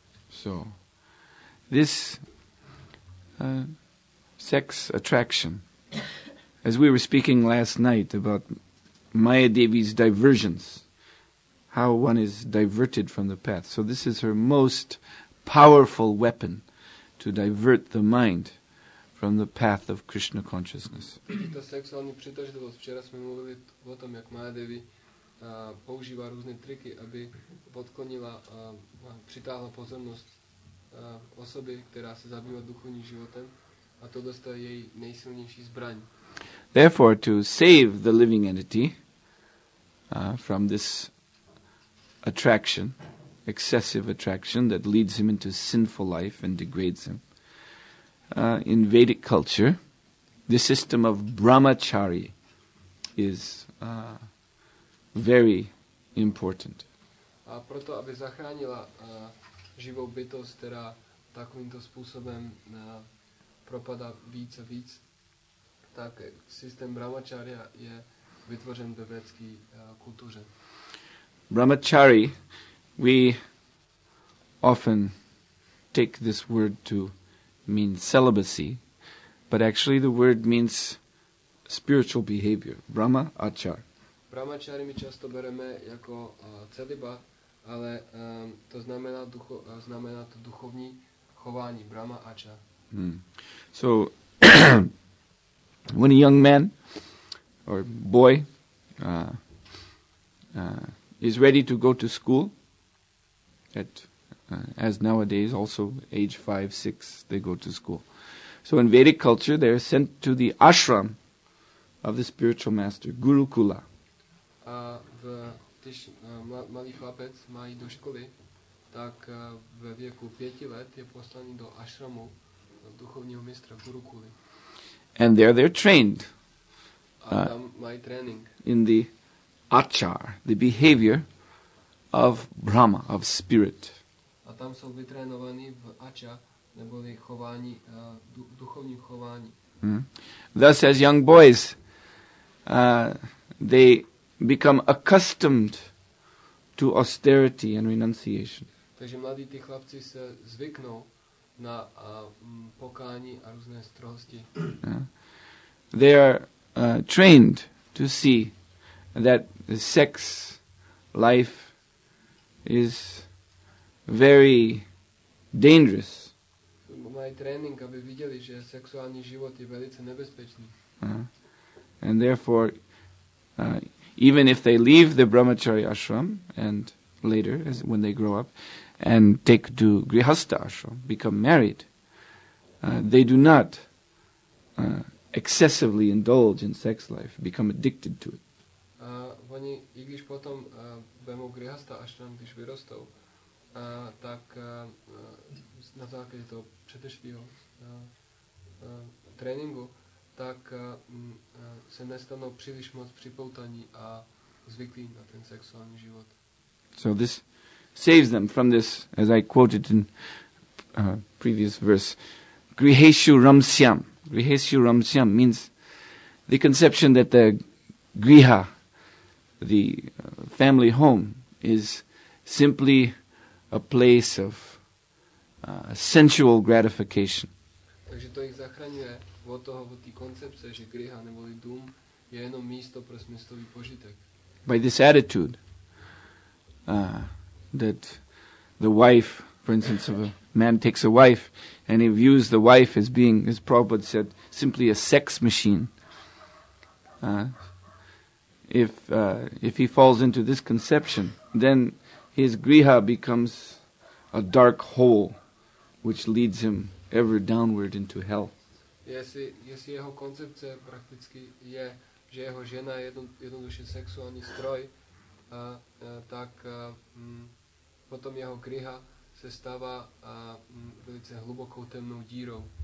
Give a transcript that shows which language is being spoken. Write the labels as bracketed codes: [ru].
[en] So, this sex attraction, as we were speaking last night about Maya Devi's diversions, how one is diverted from the path. So this is her most powerful weapon to divert the mind from the path of Krishna consciousness. [cs] Ta sexuální přitažlivost, včera jsme mluvili o tom, jak Maya Devi používá různé triky, aby odklonila a přitáhla pozornost osoby, která se zabývá duchovním životem, a to dostala její nejsilnější zbraň. [en] Therefore, to save the living entity from this attraction, excessive attraction that leads him into sinful life and degrades him. In Vedic culture, the system of brahmachari is very important. [cs] A proto, aby zachránila živou bytost, která takovýmto způsobem propadá víc a víc, tak systém brahmacharya je vytvořen ve vědecké kultuře. [en] Brahmachari, we often take this word to mean celibacy, but actually the word means spiritual behavior. Brahma achar. [cs] Brahmachari my často bereme jako celiba, ale to znamená znamená to duchovní chování. [en] Brahma achar. Hmm. So when a young man or boy is ready to go to school, at as nowadays also age 5, 6 they go to school. So in Vedic culture they are sent to the ashram of the spiritual master, Gurukula. [cs] A když malý chlapec má jít do školy, tak ve věku 5 let je poslaný do ashramu duchovního mistra Gurukuly. [en] And there they're trained. [cs] A tam mají trénink. [en] In the achar, the behavior of Brahma, of spirit. [cs] A tam jsou vytrénovaní v achar, neboli chování, duchovním chování. Mm. [en] Thus, as young boys, they become accustomed to austerity and renunciation. [cs] Takže mladí ty chlapci se zvyknou na pokání a různé strohosti. [en] They are trained to see that the sex life is very dangerous. [cs] Mají trénink, aby viděli, že sexuální život je velice nebezpečný. [en] And therefore, even if they leave the brahmachari ashram and later, as when they grow up, and take to grihastha ashram, become married, they do not excessively indulge in sex life, become addicted to it. [cs] Oni, i když potom vemou grihastha ashram, když vyrostou, tak na základě toho předešlého tréninku, tak se nestanou příliš moc připoutaní a zvyklí na ten sexuální život. [en] So this saves them from this, as I quoted in previous verse, [sa] griheshu ramsyam. Griheshu ramsyam [en] means the conception that the griha, the family home, is simply a place of sensual gratification. [cs] Takže to jich zachraňuje od toho, od té koncepce, že griha neboli dům je jenom místo pro smyslový požitek. [en] By this attitude, that the wife, for instance, of a man takes a wife, and he views the wife as being, as Prabhupada said, simply a sex machine. If he falls into this conception, then his griha becomes a dark hole, which leads him ever downward into hell. [cs] Jestli jeho koncepce prakticky je, že jeho žena je jednoduše sexuální stroj, tak potom jeho kriha se stává velice hlubokou temnou dírou.